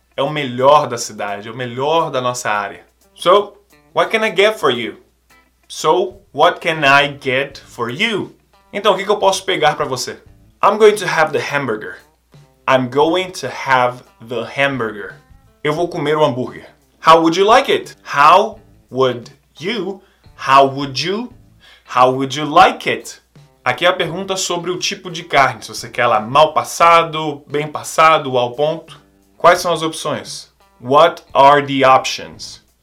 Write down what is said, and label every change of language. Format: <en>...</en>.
<pt>É o melhor da cidade, é o melhor da nossa área.</pt> <en>So, what can I get for you? So, what can I get for you?</en> <pt>Então, o que eu posso pegar para você?</pt> <en>I'm going to have the hamburger. I'm going to have the hamburger.</en> <pt>Eu vou comer o hambúrguer.</pt> <en>How would you like it? How would you? How would you? How would you like it?</en> <pt>Aqui é a pergunta sobre o tipo de carne. Se você quer ela mal passado, bem passado, ao ponto. Quais são as opções?</pt> <en>What are the options?</en>